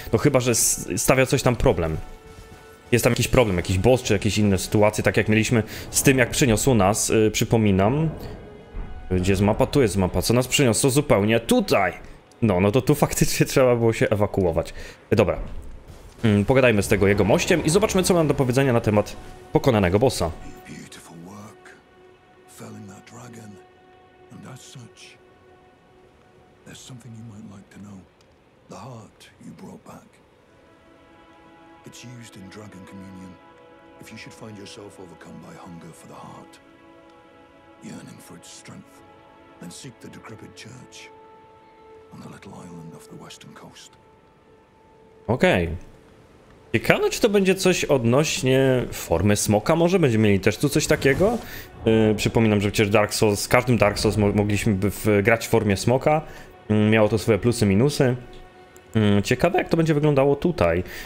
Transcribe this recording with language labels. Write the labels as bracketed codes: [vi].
[pl] No chyba, że stawia coś tam problem. Jest tam jakiś problem, jakiś boss, czy jakieś inne sytuacje, tak jak mieliśmy z tym, jak przyniosło nas. Przypominam. Gdzie jest mapa? Tu jest mapa. Co nas przyniosło? Zupełnie tutaj! No to tu faktycznie trzeba było się ewakuować. Dobra. Pogadajmy z tego jego mościem i zobaczmy, co mam do powiedzenia na temat pokonanego bossa. [en] Beautiful work. Felling that dragon. And as such, there's something you might like to know. The heart you brought back. It's used in dragon communion. If you should find yourself overcome by hunger for the heart, yearning for its strength, then seek the decrepit church on the little island off the western coast. [pl] Okej. Ciekawe, czy to będzie coś odnośnie formy smoka, może? Będziemy mieli też tu coś takiego? Przypominam, że przecież Dark Souls, z każdym Dark Souls mogliśmy grać w formie smoka. Miało to swoje plusy, minusy. Ciekawe, jak to będzie wyglądało tutaj.